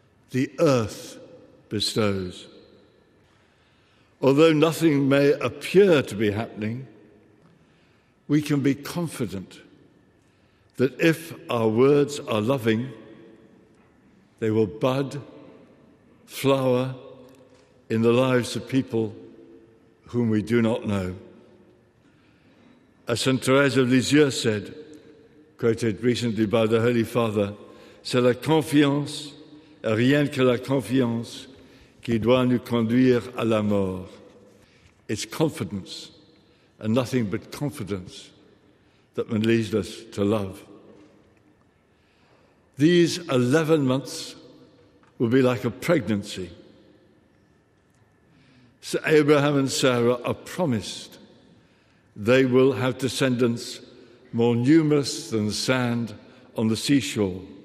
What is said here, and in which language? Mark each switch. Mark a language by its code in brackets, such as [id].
[en] The earth bestows. Although nothing may appear to be happening, we can be confident that if our words are loving, they will bud, flower in the lives of people whom we do not know. As St. [fr] Thérèse [en] of Lisieux said, quoted recently by the Holy Father, [fr] c'est la confiance, et rien que la confiance, qui doit nous conduire à la mort. [en] It's confidence, and nothing but confidence, that leads us to love. These 11 months will be like a pregnancy. So Abraham and Sarah are promised they will have descendants more numerous than the sand on the seashore.